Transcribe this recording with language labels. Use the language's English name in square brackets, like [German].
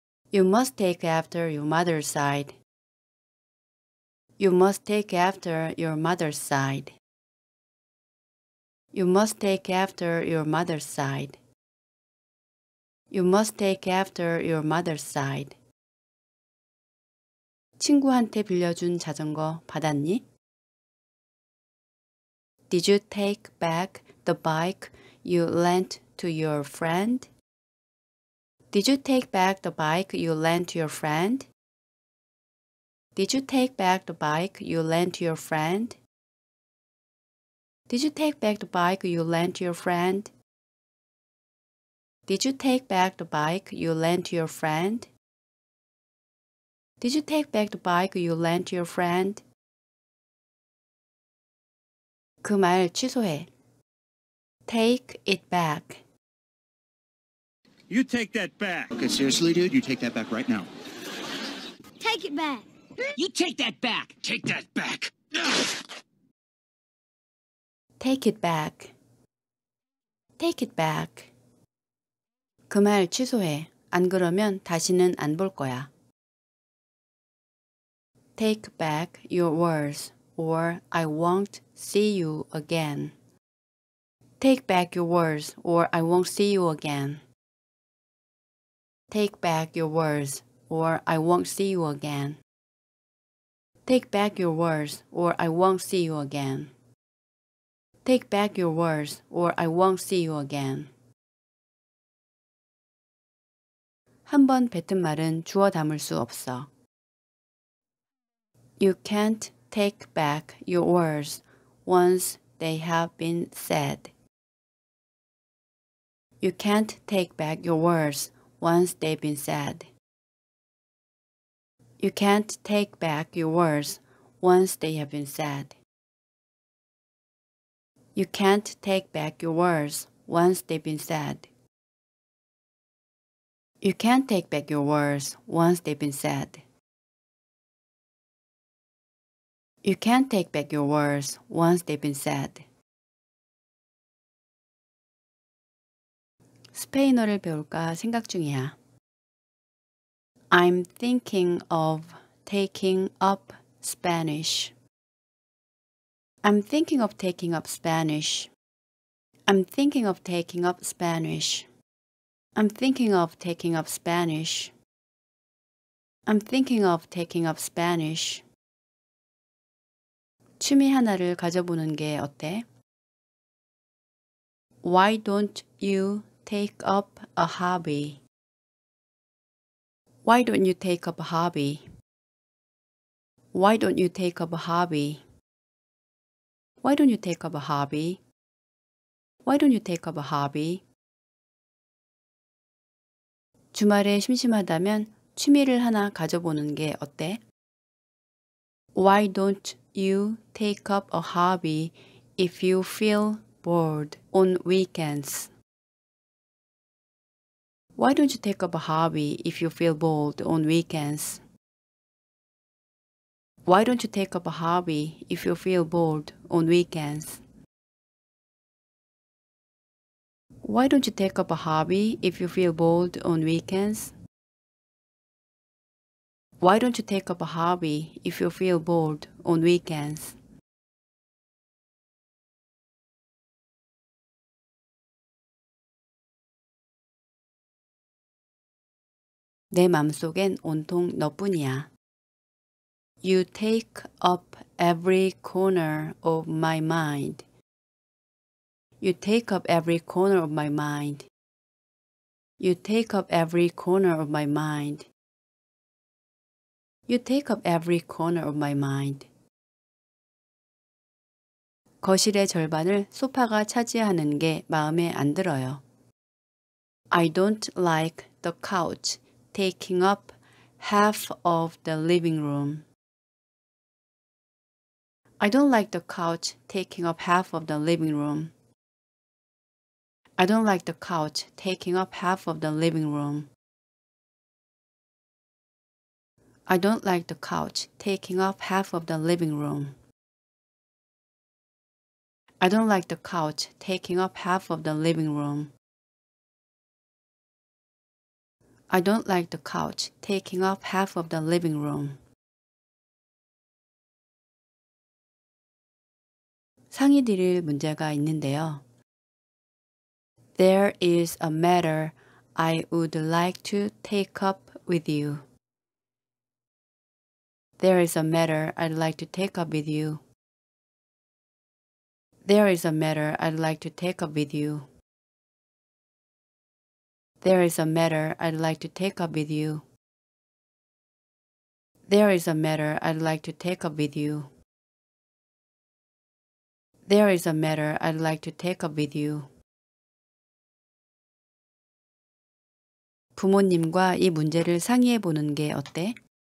[English] You must take after your mother's side. You must take after your mother's side. You must take after your mother's side. You must take after your mother's side. [Korean] 친구한테 빌려준 자전거 받았니? [English] Did you take back the bike you lent to your friend? Did you take back the bike you lent to your friend? Did you take back the bike you lent to your friend? Did you take back the bike you lent to your friend? Did you take back the bike you lent to your friend? Did you take back the bike you lent to your friend? [Korean] 그 말 취소해. [English] Take it back. You take that back. Okay, seriously, dude, you take that back right now. Take it back. You take that back. Take that back. Take it back. Take it back. [Korean] 그 말 취소해. 안 그러면 다시는 안 볼 거야. [English] Take back your words or I won't see you again. Take back your words or I won't see you again. Take back your words or I won't see you again. Take back your words or I won't see you again. Take back your words or I won't see you again. [Korean] 한 번 뱉은 말은 주워 담을 수 없어. [English] You can't take back your words once they have been said. You can't take back your words once they've been said. You can't take back your words once they have been said. You can't take back your words once they've been said. You can't take back your words once they've been said. You can't take back your words once they've been said. [Korean] 스페인어를 배울까 생각 중이야. [English] I'm thinking of taking up Spanish. I'm thinking of taking up Spanish. I'm thinking of taking up Spanish. I'm thinking of taking up Spanish. I'm thinking of taking up Spanish. [Korean] 취미 하나를 가져보는 게 어때? [English] Why don't you take up a hobby? Why don't you take up a hobby? Why don't you take up a hobby? Why don't you take up a hobby? Why don't you take up a hobby? [Korean] 주말에 심심하다면 취미를 하나 가져보는 게 어때? [English] Why don't you take up a hobby if you feel bored on weekends? Why don't you take up a hobby if you feel bored on weekends? Why don't you take up a hobby if you feel bored on weekends? Why don't you take up a hobby if you feel bored on weekends? Why don't you take up a hobby if you feel bored on weekends? [Korean] 내 마음속엔 온통 너뿐이야. [English] You take up every corner of my mind. You take up every corner of my mind. You take up every corner of my mind. You take up every corner of my mind. [Korean] 거실의 절반을 소파가 차지하는 게 마음에 안 들어요. [English] I don't like the couch taking up half of the living room. I don't like the couch taking up half of the living room. I don't like the couch taking up half of the living room. I don't like the couch taking up half of the living room. I don't like the couch taking up half of the living room. I don't like the couch taking up half of the living room. [Korean] 상의 드릴 문제가 있는데요. [English] There is a matter I would like to take up with you. There is a matter I'd like to take up with you. There is a matter I'd like to take up with you. There is a matter I'd like to take up with you. There is a matter I'd like to take up with you. There is a matter I'd like to take up with you. [Korean] 부모님과 이 문제를 상의해 보는 게 어때?